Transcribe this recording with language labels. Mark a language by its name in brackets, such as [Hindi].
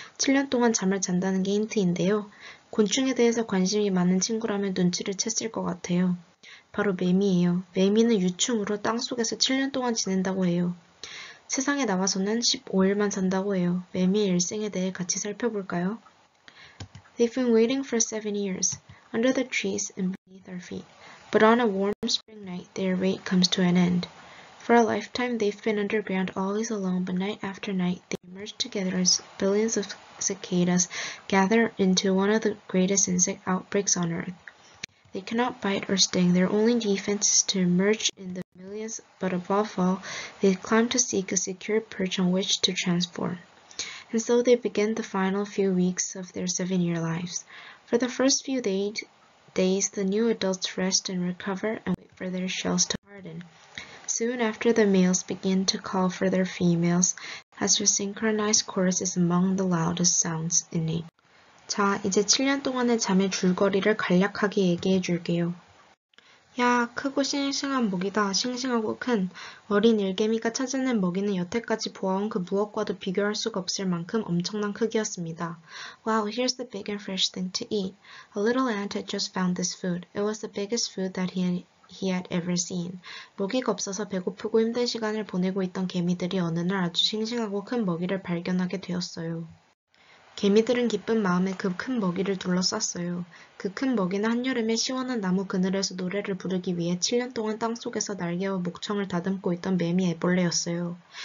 [Korean] 7년 동안 잠을 잔다는 게 힌트인데요. 곤충에 대해서 관심이 많은 친구라면 눈치를 챘을 것 같아요. 바로 매미예요. 매미는 유충으로 땅속에서 7년 동안 지낸다고 해요. 세상에 나와서는 15일만 산다고 해요. 매미의 일생에 대해 같이 살펴볼까요? [English] They've been waiting for 7 years, under the trees and beneath our feet. But on a warm spring night, their wait comes to an end. For a lifetime, they've been underground always alone, but night after night, they emerge together as billions of cicadas gather into one of the greatest insect outbreaks on Earth. They cannot bite or sting. Their only defense is to emerge in the millions, but above all, they climb to seek a secure perch on which to transform. And so they begin the final few weeks of their 7-year lives. For the first few days, the new adults rest and recover and wait for their shells to harden. Soon after, the males begin to call for their females as their synchronized chorus is among the loudest sounds in nature. [Korean] 자, 이제 7년 동안의 잠의 줄거리를 간략하게 얘기해 줄게요. 야, 크고 싱싱한 먹이다. 싱싱하고 큰. 어린 일개미가 찾아낸 먹이는 여태까지 보아온 그 무엇과도 비교할 수가 없을 만큼 엄청난 크기였습니다. [English] Wow, here's the big and fresh thing to eat. A little ant had just found this food. It was the biggest food that he had ever seen. [Korean] 먹이가 없어서 배고프고 힘든 시간을 보내고 있던 개미들이 어느 날 아주 싱싱하고 큰 먹이를 발견하게 되었어요. 개미들은 기쁜 마음에 그큰 먹이를 둘러쌌어요. 그큰 먹이는 한여름에 시원한 나무 그늘에서 노래를 부르기 위해 7년 동안 땅속에서 날개와 목청을 다듬고 있던 매미 애벌레였어요.